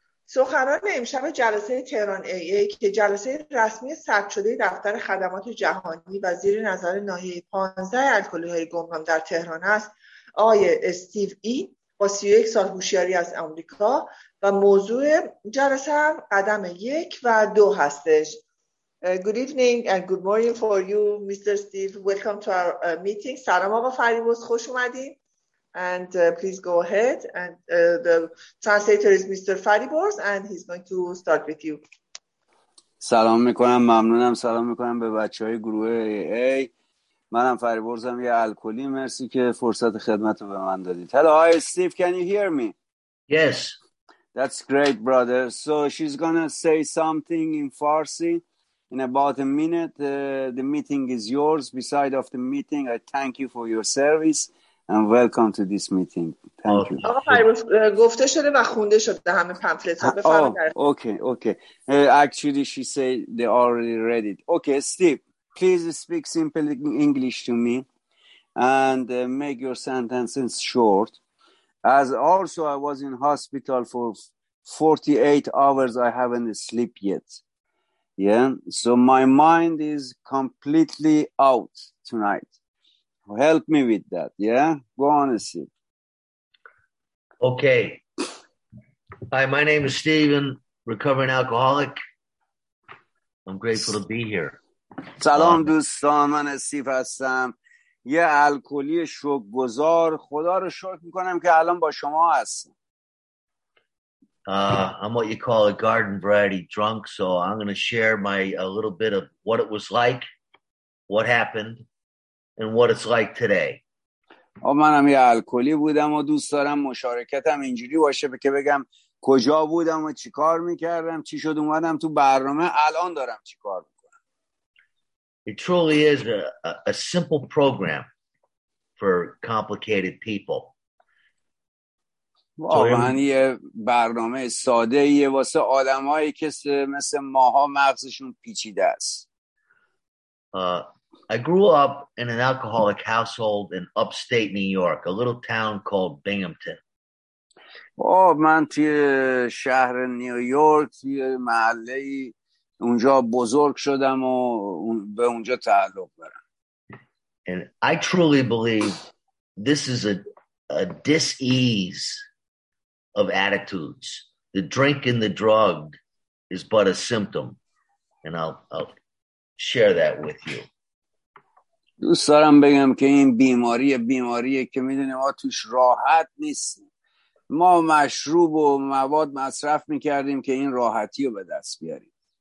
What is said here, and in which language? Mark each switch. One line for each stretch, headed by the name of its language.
Persian: سخنران امشب جلسه تهران ای ای که جلسه رسمی ثبت شده دفتر خدمات جهانی و زیر نظر ناحیه 15 الکلی‌های گمنام در تهران است، آقای استیو ای با 31 سال هوشیاری از آمریکا و موضوع جلسه هم قدم یک و دو هستش.
English: Good evening and good morning for you, Mr. Steve. Welcome to our meeting.
Persian: سلام آقا فریبوس، خوش اومدین.
English: And please go ahead. And the translator is Mr. Faribors, and he's going to start with you.
Persian: سلام میکنم، ممنونم. سلام میکنم به بچه های گروه ای. منم فریبورزم، یه الکلی. مرسی که فرصت خدمت رو به من دادید.
English: Hello, hi, Steve. Can you hear me? Yes. That's great, brother. So she's gonna say something in Farsi in about a minute. The meeting is yours. Beside of the meeting, I thank you for your service. And welcome to this meeting. Thank you.
Persian: آقا فریبورز، گفته شده و خونده شده همه پمفلت ها. بفرمایید.
English: Okay. Actually, she said they already read it. Okay, Steve. Please speak simple English to me and make your sentences short. As also I was in hospital for 48 hours, I haven't slept yet. Yeah, so my mind is completely out tonight. Help me with that, yeah? Go on, Steve. Okay. Hi, my name is Steven, recovering alcoholic. I'm grateful to be here.
Persian: سلام دوستان، من استیف هستم، یه الکلی شوک‌گذار. خدا رو شکر میکنم که الان با شما هستم.
English: I'm what you call a garden variety drunk, so I'm going to share my a little bit of what it was like, what happened, and what it's like today.
Persian: منم یه الکلی بودم و دوست دارم مشارکتم اینجوری باشه که بگم کجا بودم و چی کار میکردم، چی شد اومدم تو برنامه، الان دارم چی کار میکردم.
English: It truly is a simple program for complicated people.
Persian: واقعاً یه برنامه ساده‌ایه واسه آدمایی که مثل ماها مغزشون پیچیده است.
English: I grew up in an alcoholic household in upstate New York, a little town called Binghamton.
Persian: من توی شهر نیویورک، توی محله‌ای اونجا بزرگ شدم و به اونجا تعلق دارم.
English: And I truly believe this is a dis-ease of attitudes. The drink and the drug is but a symptom. And I'll share that with you.
Persian: دوست دارم بگم که این بیماریه که میدونی ما توش راحت نیستیم. ما مشروب و مواد مصرف میکردیم که این راحتی رو به دست بیاریم.